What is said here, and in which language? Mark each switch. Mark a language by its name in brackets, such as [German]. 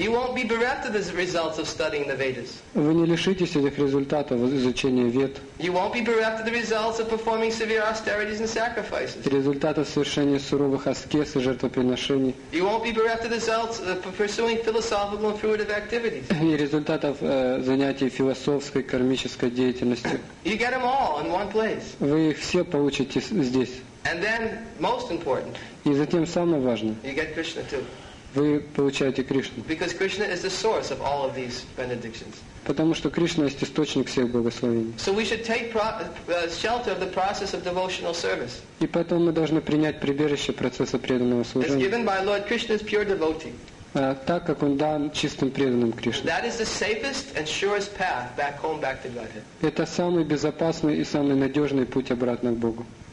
[English] you won't be bereft of the results of studying the Vedas. [Russian] Вы не лишитесь этих результатов изучения Вед. [English] You won't be bereft of the results of performing severe austerities and sacrifices. [Russian] Результатов совершения суровых аскез и жертвоприношений. [English] You won't be bereft of the results of pursuing philosophical and fruitive activities. [Russian] И результатов занятий философской кармической деятельностью. [English] You get them all in one place. [Russian] Вы их все получите здесь. [English] And then, most important, [Russian] и затем самое важное, [English] you get Krishna too. [Russian] Вы получаете Кришну. [English] Because Krishna is the source of all of these benedictions. [Russian] Потому что Кришна есть источник всех благословений. [English] So we should take shelter of the process of devotional service. [Russian] И поэтому мы должны принять прибежище процесса преданного служения. [English] It's given by Lord Krishna's pure devotee. [Russian] Так как он дан чистым преданным Кришне. [English] That is the safest and surest path back home, back to Godhead. [Russian] Это самый безопасный и самый надежный путь обратно к Богу.